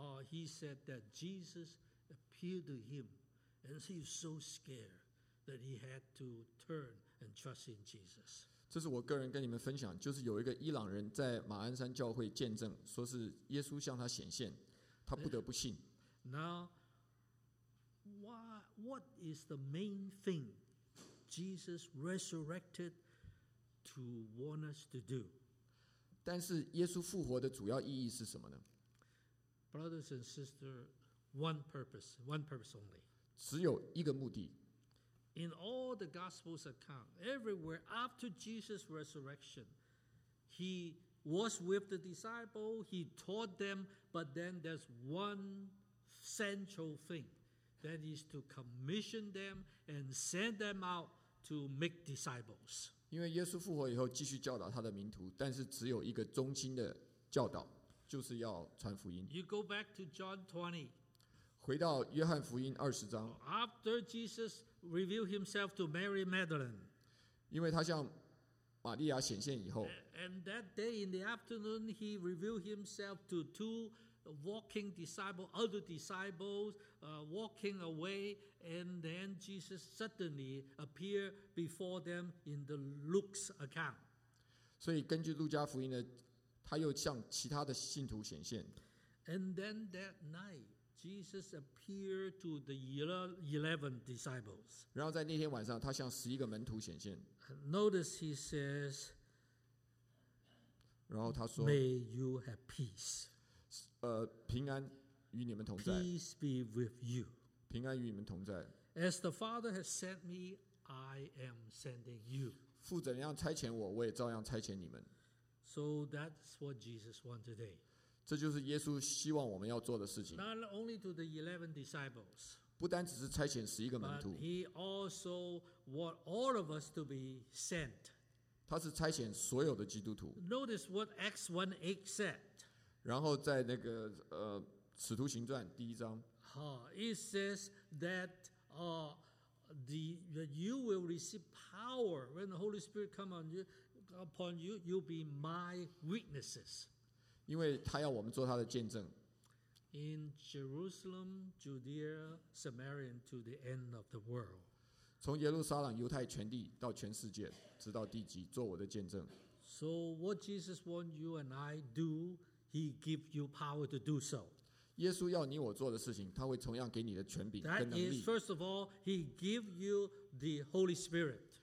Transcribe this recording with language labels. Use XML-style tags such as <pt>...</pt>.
<en>He said that Jesus appeared to him, and he was so scared that he had to turn and trust in Jesus.</en> <zh>这是我个人跟你们分享，就是有一个伊朗人在马鞍山教会见证，说是耶稣向他显现，他不得不信。</zh> <en>Now, what is the main thing Jesus resurrected to want us to do?</en> <zh>但是耶稣复活的主要意义是什么呢？</zh> <en>Brothers and sisters, one purpose only.</en> <zh>只有一个目的。</zh> <en>In all the Gospels account, everywhere after Jesus' resurrection, he was with the disciples, he taught them, but then there's one central thing, that is to commission them and send them out to make disciples.</en> <zh>因为耶稣复活以后继续教导他的门徒，但是只有一个中心的教导，就是要传福音。</zh> <en>You go back to John 20.</en> <zh>回到约翰福音二十章。</zh> <en>After Jesus reveal himself to Mary Magdalene.</en> <zh>因为他向玛利亚显现以后。</zh> <en>And that day in the afternoon, he revealed himself to two walking disciples, other disciples, walking away, and then Jesus suddenly appeared before them in the Luke's account.</en> <zh>所以根据路加福音呢，他又向其他的信徒显现。</zh> <en>And then that night, Jesus appeared to the 11 disciples.</en> <zh>然后在那天晚上，他向十一个门徒显现。</zh> <en>Notice he says,</en> <zh>然后他说</zh> <en>May you have peace.</en> <zh>平安与你们同在。</zh> <en>Peace be with you.</en> <zh>平安与你们同在。</zh> <en>As the Father has sent me, I am sending you.</en> <zh>父怎样差遣我，我也照样差遣你们。</zh> <en>So that's what Jesus wants today.</en> <zh>这就是耶稣希望我们要做的事情。</zh> <en>Not only to the 11 disciples.</en> <zh>不单只是差遣十一个门徒。</zh> <en>But he also wants all of us to be sent.</en> <zh>他是差遣所有的基督徒。</zh> <en>Notice what Acts 1:8 said.</en> <zh>然后在那个使徒行传第一章。</zh> <en>It says that that you will receive power when the Holy Spirit comes on you, upon you, you'll be my witnesses.</en> <zh>因为他要我们做他的见证。</zh> <en>In Jerusalem, Judea, Samaria, to the end of the world.</en> <zh>从耶路撒冷、犹太全地到全世界，直到地极，做我的见证。</zh> <en>So what Jesus wants you and I do, He gives you power to do so.</en> <zh>耶稣要你我做的事情，他会同样给你的权柄跟能力。</zh> <en>That is, first of all, He gives you the Holy Spirit.</en>